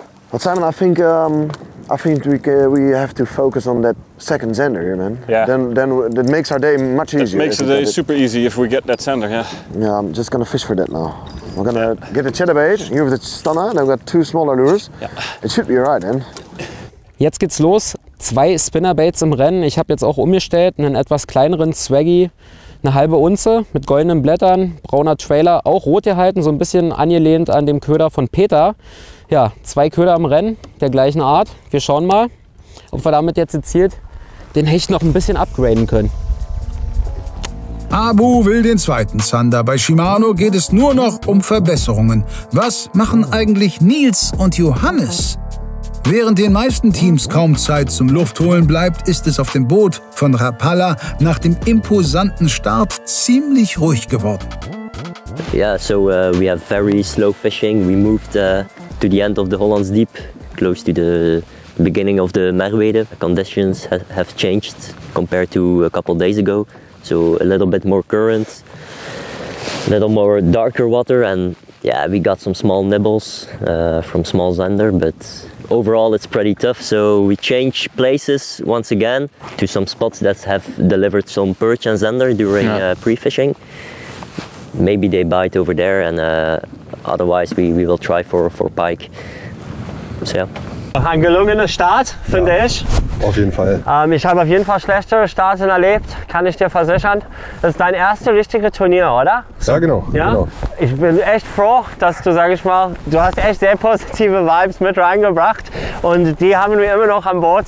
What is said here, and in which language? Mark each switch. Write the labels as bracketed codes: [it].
[en] Well, Simon, I think we have to focus on that second zander here, man. Yeah. Then that makes our day much easier. It makes the day super easy if we get that zander, yeah. Yeah, I'm just gonna fish for that now. We're gonna get the chatterbait, you have the stunner, then we've got two smaller lures. Yeah. It should be right, man. [de] Jetzt geht's los. Zwei Spinnerbaits im Rennen. Ich habe jetzt auch umgestellt, einen etwas kleineren Swaggy. Eine halbe Unze mit goldenen Blättern, brauner Trailer, auch rot gehalten, so ein bisschen angelehnt an dem Köder von Peter. Ja, zwei Köder im Rennen der gleichen Art. Wir schauen mal, ob wir damit jetzt gezielt den Hecht noch ein bisschen upgraden können. Abu will den zweiten Zander. Bei Shimano geht es nur noch um Verbesserungen. Was machen eigentlich Nils und Johannes? Während den meisten Teams kaum Zeit zum Luftholen bleibt, ist es auf dem Boot von Rapala nach dem imposanten Start ziemlich ruhig geworden. [en] Yeah, so we have very slow fishing. We moved to the end of the Hollands Diep, close to the beginning of the Merwede. Conditions have changed compared to a couple days ago, so a little bit more current. little more darker water, and yeah, we got some small nibbles from small Zander, but overall it's pretty tough. So we changed places once again to some spots that have delivered some perch and Zander during pre-fishing. Maybe they bite over there, and otherwise we will try for pike. So yeah. [de] Ein gelungener Start, finde ich. Auf jeden Fall. Ich habe auf jeden Fall schlechtere Starten erlebt, kann ich dir versichern. Das ist dein erstes richtiges Turnier, oder? Ja, genau. Ja? Ich bin echt froh, dass du, sag ich mal, du hast echt sehr positive Vibes mit reingebracht. Und die haben wir immer noch an Bord.